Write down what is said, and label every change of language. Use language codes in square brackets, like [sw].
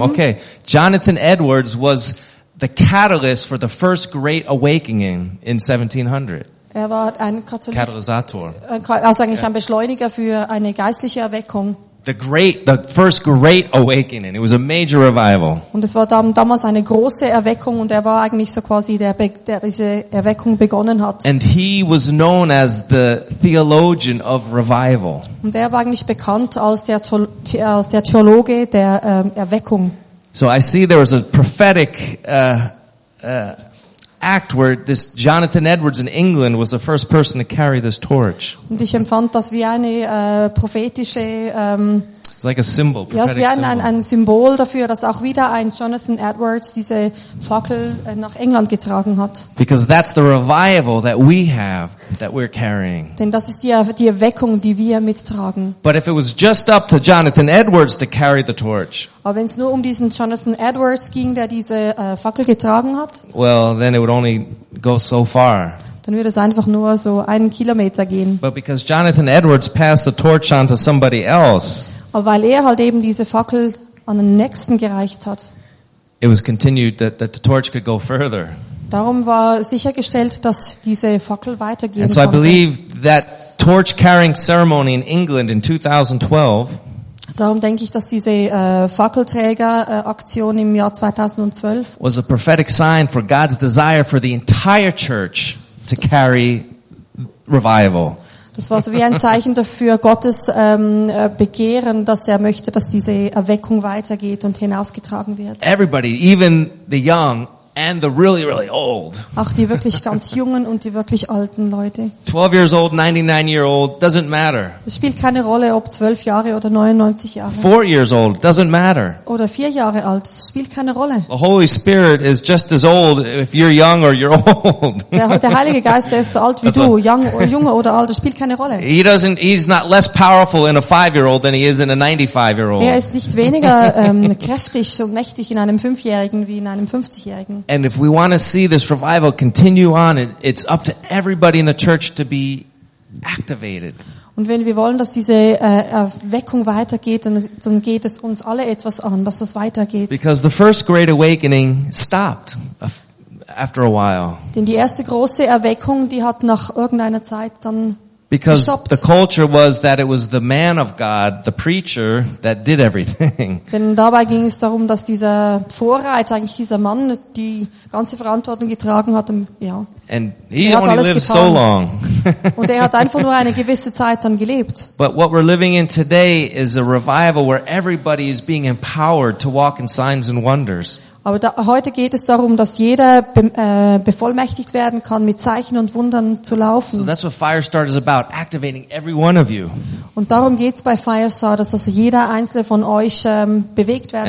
[en] Some, okay. Jonathan Edwards was the catalyst for the first great awakening in 1700. [de] Er war ein Katalysator. Also eigentlich ein Beschleuniger für eine geistliche Erweckung. [en] The first great awakening. It was a major revival. [de] Und es war damals eine große Erweckung, und er war eigentlich so quasi der diese Erweckung begonnen hat. [en] And he was known as the theologian of revival. [de] Und er war eigentlich bekannt als der Theologe der Erweckung. [en] So I see there was a prophetic act where this Jonathan Edwards in England was the first person to carry this torch. [de] Und ich empfand das wie eine prophetische [en] It's like a symbol, prophetic symbol. [de] Ja, es wie ein Symbol dafür, dass auch wieder ein Jonathan Edwards diese Fackel nach England getragen hat. [en] Because that's the revival that we have, that we're carrying. [de] Denn das ist die Erweckung, die wir mittragen. [en] But if it was just up to Jonathan Edwards to carry the torch. [de] Aber wenn es nur um diesen Jonathan Edwards ging, der diese Fackel getragen hat. [en] Well, then it would only go so far. [de] Dann würde es einfach nur so einen Kilometer gehen. [en] But because Jonathan Edwards passed the torch on to somebody else. [de] Aber weil er halt eben diese Fackel an den Nächsten gereicht hat. [en] It was continued that the torch could go further. [de] Darum war sichergestellt, dass diese Fackel weitergehen konnte. [en] And so I believe that torch carrying ceremony in England in 2012. [de] Darum denke ich, dass diese Fackelträger-Aktion im Jahr 2012 [en] was a prophetic sign for God's desire for the entire church to carry revival. [de] Das war so wie ein Zeichen dafür, Gottes Begehren, dass er möchte, dass diese Erweckung weitergeht und hinausgetragen wird. [en] Everybody, even the young and the really, really old. [de] Auch die wirklich ganz jungen und die wirklich alten Leute. [en] 12 years old, 99 year old, doesn't matter. [de] Es spielt keine Rolle, ob 12 Jahre oder 99 Jahre. [en] 4 years old, doesn't matter. [de] Oder 4 Jahre alt, es spielt keine Rolle. [en] The Holy Spirit is just as old if you're young or you're old. [de] Der Heilige Geist, der ist so alt wie du, junge oder alt, es spielt keine Rolle. [en] He's not less powerful in a 5 year old than he is in a 95 year old. [de] Er ist nicht weniger kräftig und mächtig in einem 5-Jährigen wie in einem 50-Jährigen. [en] And if we want to see this revival continue on, it's up to everybody in the church to be activated. [de] Und wenn wir wollen, dass diese Erweckung weitergeht, dann geht es uns alle etwas an, dass es weitergeht. [en] Because the first great awakening stopped after a while. [de] Denn die erste große Erweckung, die hat nach irgendeiner Zeit dann [en] Because [de] gestoppt. [en] The culture was that it was the man of God, the preacher, that did everything. [de] Denn dabei ging es darum, dass dieser Vorreiter, eigentlich dieser Mann, die ganze Verantwortung getragen hat. Ja. [en] And he only lived so long. [de] Und er hat einfach nur eine gewisse Zeit dann gelebt. [en] But what we're living in today is a revival where everybody is being empowered to walk in signs and wonders. [de] Aber da, heute geht es darum, dass jeder bevollmächtigt werden kann, mit Zeichen und Wundern zu laufen. [en] So that's what Firestart is about, activating every one of you. [de] Und darum geht's bei Firestart, dass jeder einzelne von euch bewegt werden